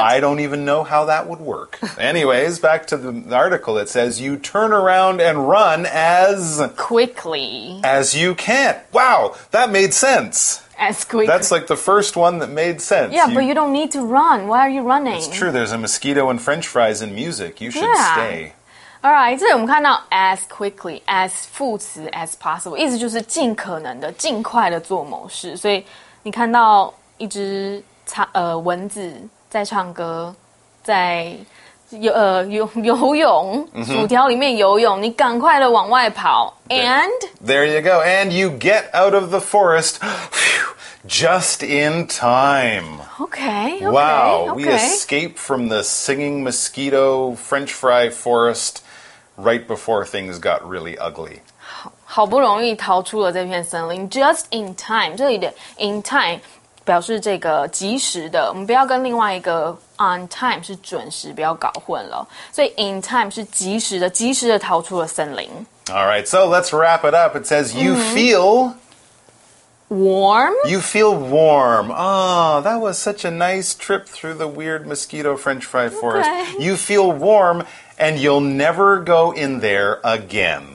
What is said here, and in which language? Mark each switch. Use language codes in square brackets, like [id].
[en] I don't even know how that would work. Anyways, back to the article. It says, you turn around and run as... Quickly. As you can. Wow, that made sense. As quickly. That's like the first one that made sense. Yeah, but you don't need to run. Why are you running? It's true, there's a mosquito and French fries and music. You should stay. All right, [zh] 这里我们看到 as quickly, as 副词 as possible, 意思就是尽可能的、尽快的做某事。所以你看到一只蚊子在唱歌，在游泳、薯条里面游泳，你赶快的往外跑。 [en] And? There you go. And you get out of the forest. Just in time. Okay, okay. Wow, okay. We escape from the singing mosquito French fry forest. right before things got really ugly. [zh] 好不容易逃出了这片森林 ,just in time, 这里的 in time 表示这个及时的我们不要跟另外一个 on time 是准时不要搞混了。所以 in time 是及时的及时的逃出了森林。 [en] Alright, so let's wrap it up. It says, you feel... Warm? You feel warm. Oh, that was such a nice trip through the weird mosquito French fry forest. Okay. You feel warm, and you'll never go in there again.